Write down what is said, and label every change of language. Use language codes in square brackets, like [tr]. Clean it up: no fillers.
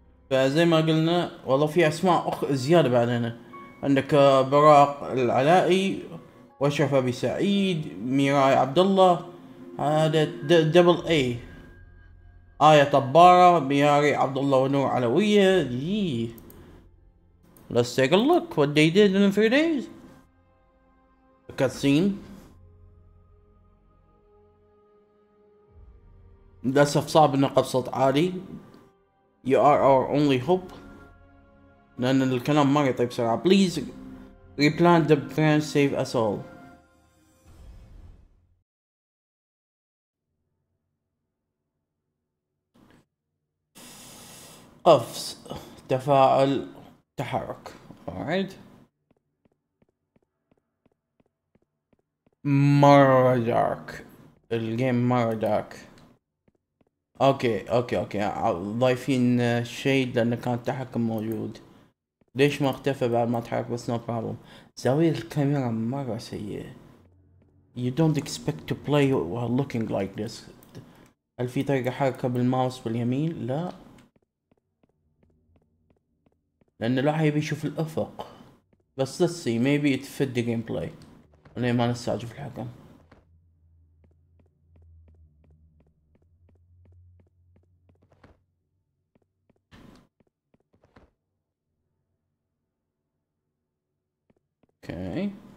[ar] فزي ما قلنا والله في اسماء زياده بعدنا، عندك براق العلائي وشرف ابي سعيد ميراي عبد الله هذا دبل اي ايه طباره مياري عبد الله ونور علويه دي. [en] Let's take a look what they did in three days. A cutscene. [ar] للاسف صعب انه بصوت عالي. [en] You are our only hope. [ar] لأن الكلام ما يطيب بسرعة. [en] Please replant the branch, save us all. [ar] قفز تفاعل تحرك. مرة دارك. الجيم مرة دارك. اوكي ضايفين شيد لان كان التحكم موجود. ليش ما اختفى بعد ما تحرك؟ بس [en] No problem. [ar] زاوية الكاميرا مرة سيئة. [en] You don't expect to play while looking like this. [ar] هل في طريقة حركة بالماوس باليمين؟ لا، لان الواحد يبي يشوف الافق. بس [en] let's see maybe it fit the gameplay. [ar] ليه ما نستعجل في الحكم؟ Okay.